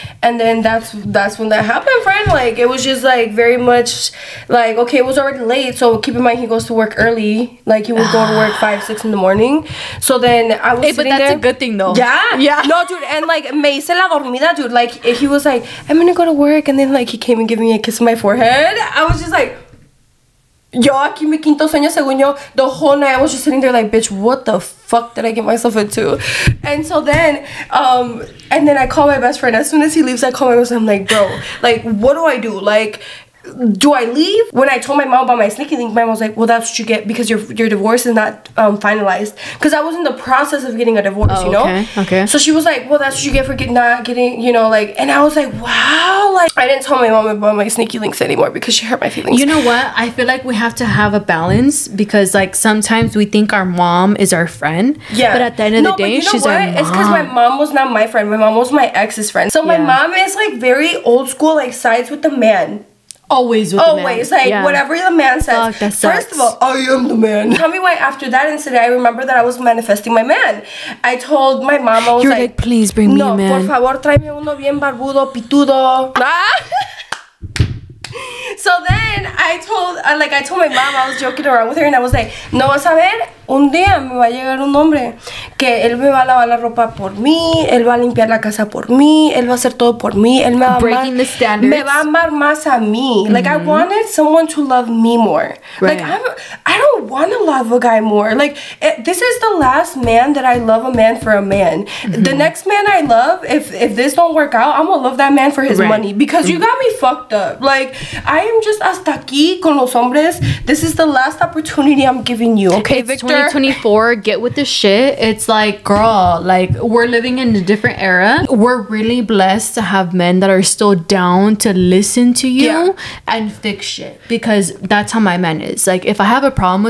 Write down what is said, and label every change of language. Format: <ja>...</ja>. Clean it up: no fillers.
<en>And then that's when that happened, friend. Like, it was just like very much like, okay, it was already late. So keep in mind, he goes to work early. Like, he would go to work 5-6 in the morning. So then I was sitting there. Hey, but that's a good thing though. Yeah? Yeah. No, dude. And like,</en> <es>me hice la dormida,</es> <en>dude. Like, he was like, I'm gonna go to work. And then like, he came and gave me a kiss on my forehead. I was just like, yo,</en> <es>aquí mi quinto sueño según yo.</es> <en>The whole night I was just sitting there like, bitch, what the fuck did I get myself into? And so then, I call my best friend. As soon as he leaves, I call my best friend. I'm like, bro, like, what do I do? Like, do I leave? When I told my mom about my sneaky link, my mom was like, well, that's what you get because your divorce is not finalized. Because I was in the process of getting a divorce, oh, you know? Okay. So she was like, well, that's what you get for not getting, you know, like, and I was like, wow. Like, I didn't tell my mom about my sneaky links anymore because she hurt my feelings. You know what? I feel like we have to have a balance because, like, sometimes we think our mom is our friend. Yeah. But at the end of the day, you know she's what? Our mom. It's because my mom was not my friend. My mom was my ex's friend. So my mom is, like, very old school, like, sides with the man. Always with always the man. Like, yeah. Whatever the man says. Fuck, that sucks. First of all, I am the man. Tell me why after that incident I remember that I was manifesting my man. I told my mom, I was you're like, please bring me a man.</en> <es>No, por favor, tráeme uno bien barbudo, pitudo.</es> <en>So then I told my mom, I was joking around with her, and I was like,</en> <es>no vas a ver, un día me va a llegar un hombre que él me va a lavar la ropa por mí, él va a limpiar la casa por mí, él va a hacer todo por mí, él me va a amar.</es> <en>Breaking the standards.</en> <es>Me va a amar más a mí.</es> <en>Mm-hmm. Like, I wanted someone to love me more. Right. Like, I don't want to love a guy more. Like, this is the last man that I love a man for a man. Mm-hmm. The next man I love, if this don't work out, I'm gonna love that man for his right. money because mm-hmm. you got me fucked up. Like, I am just</en> <es>hasta aquí con los hombres.</es> <en>This is the last opportunity I'm giving you, okay, it's Victor? 2024, get with the shit. It's like, girl, like, we're living in a different era. We're really blessed to have men that are still down to listen to you yeah. and fix shit because that's how my man is. Like, if I have a problem with</en>